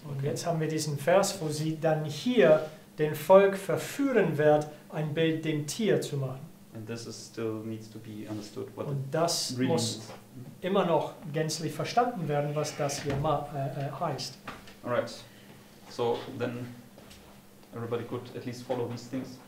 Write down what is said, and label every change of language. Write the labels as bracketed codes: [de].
[de] Okay. Und jetzt haben wir diesen Vers, wo sie dann hier den Volk verführen wird, ein Bild dem Tier zu machen. [en] And this is still needs to be understood what [de] und das muss immer noch gänzlich verstanden werden, was das hier heißt. [en] Alright, so then everybody could at least follow these things.